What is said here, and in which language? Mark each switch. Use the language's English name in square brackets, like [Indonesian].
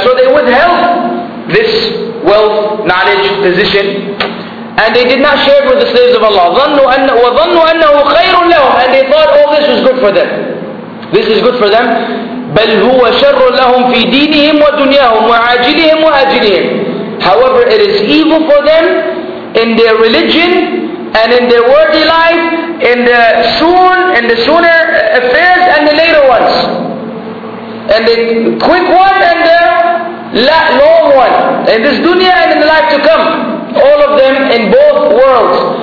[English] So they withheld this wealth, knowledge, position, and they did not share it with the slaves of Allah. [Arabic] وظنوا أنه خير لهم. [English] And they thought all this was good for them. This is good for them. [Arabic] بل هو شر لهم في دينهم ودنياهم وعاجلهم وآجلهم. [English] However, it is evil for them in their religion and in their worldly life, in the sooner affairs and the later ones. And the quick one and the long one. In this dunya and in the life to come. All of them in both worlds.